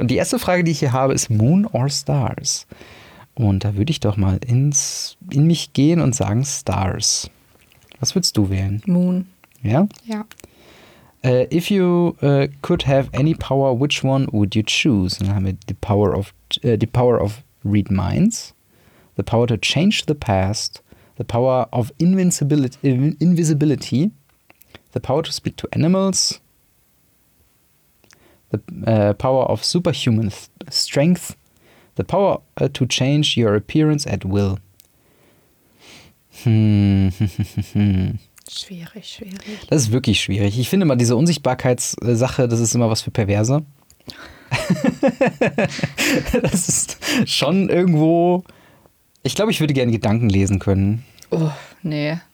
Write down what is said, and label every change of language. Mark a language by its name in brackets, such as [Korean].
[German] Und die erste Frage, die ich hier habe, ist [English] Moon or Stars? [German] Und da würde ich doch mal in mich gehen und sagen Stars. Was würdest du wählen? [English] Moon. [German] Ja? Ja. [English] If you could have any power, which one would you choose? [German] Und dann haben wir [English] the power of read minds, the power to change the past, the power of invisibility, the power to speak to animals, the power of superhuman strength, the power to change your appearance at will. [German] Schwierig, schwierig. Das ist wirklich schwierig. Ich finde mal diese Unsichtbarkeitssache, das ist immer was für Perverse. Das ist schon irgendwo... Ich glaube, ich würde gerne Gedanken lesen können. Oh, nee.